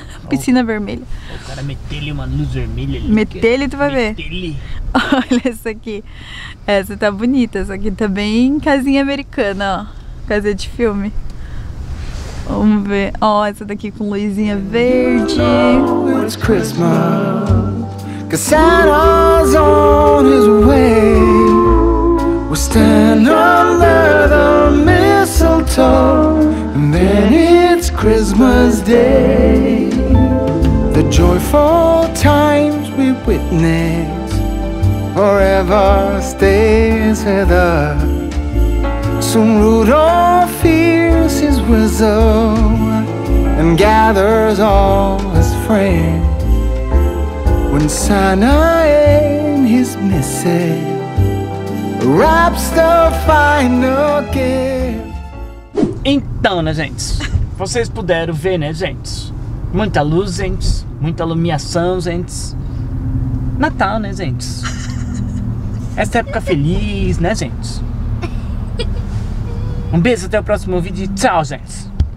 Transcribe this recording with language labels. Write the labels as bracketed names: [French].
[Portuguese] Piscina vermelha. O cara meteu-lhe uma luz vermelha ali. Meteu-lhe, tu vai ver. Meteu-lhe. Olha essa aqui. Essa tá bonita. Essa aqui tá bem casinha americana, ó. Casa de filme. Vamos ver, ó, essa daqui com luzinha verde. [English] It's Christmas, 'cause Santa's on his way. We'll stand under the mistletoe, and then it's Christmas Day. The joyful times we witness forever stays with us. Soon Rudolph hears his whistle and gathers all his friends. When Santa and his missus wraps the final gift. [Portuguese] Então, né, gente? Vocês puderam ver, né, gente? Muita luz, gente. Muita iluminação, gente. Natal, né, gente? Essa época feliz, né, gente? Um beijo, até o próximo vídeo. Tchau, gente.